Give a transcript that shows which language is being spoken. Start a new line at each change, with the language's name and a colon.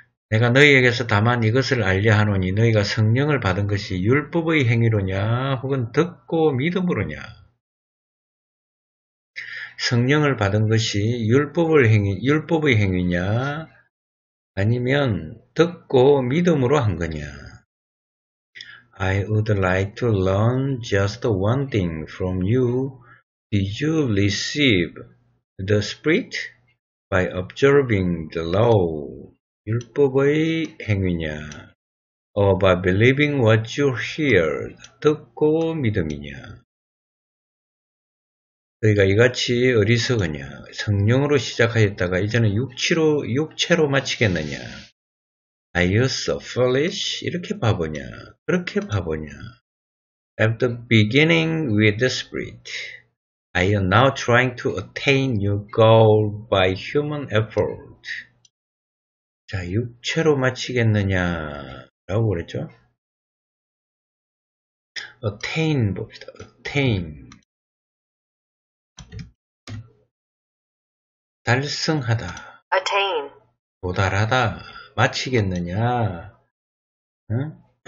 Korean: 내가 너희에게서 다만 이것을 알려하노니 너희가 성령을 받은 것이 율법의 행위로냐 혹은 듣고 믿음으로냐. 성령을 받은 것이 율법의 행위냐 아니면 듣고 믿음으로 한 거냐.
English: I would like to learn just one thing from you. Did you receive the Spirit by observing the law?
Korean: 율법의 행위냐,
English: or by believing what you hear,
Korean: 듣고 믿음이냐. 너희가 이같이 어리석으냐, 성령으로 시작하였다가 이제는 육체로 마치겠느냐.
English: Are you so foolish?
Korean: 이렇게 바보냐, 그렇게 바보냐.
English: At the beginning with the spirit, are you now trying to attain your goal by human effort?
Korean: 자, 육체로 마치겠느냐라고 그랬죠? attain 봅시다. attain. 달성하다.
English: attain.
Korean: 도달하다. 마치겠느냐. 응?